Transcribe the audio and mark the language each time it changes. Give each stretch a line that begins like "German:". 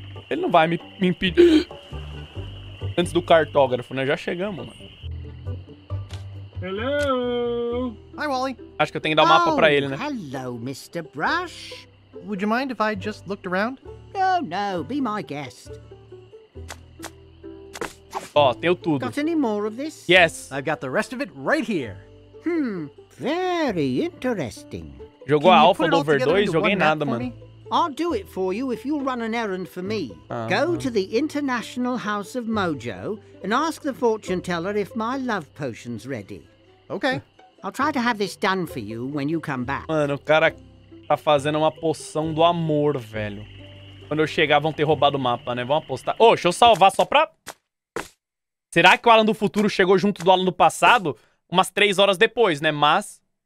Portuguese: Ele não vai me impedir antes do cartógrafo, né? Já chegamos, mano.
English: Hello! Hi, Wally.
Portuguese: Acho que eu tenho que dar o mapa pra ele, né?
English: Hello, Mr. Brush. Would you mind if I just looked around? No, no, be my guest.
Portuguese: Ó, tenho tudo.
English: Got any more of this? Yes. I've got the rest of it right here. Very interesting.
Portuguese: Jogou a alfa do over 2, joguei nada, mano.
English: I'll do it for you if you'll run an errand for me. Go to the International House of Mojo and ask the fortune teller if my love potion's ready. Okay. I'll try to have this done for you when you come back.
Portuguese: Mano, o cara tá fazendo uma poção do amor, velho. Quando eu chegar, vão ter roubado o mapa, né? Vão apostar. Ô, deixa eu salvar só pra... Será que o Alan do futuro chegou junto do Alan do passado? Umas 3 horas depois, né? Mas...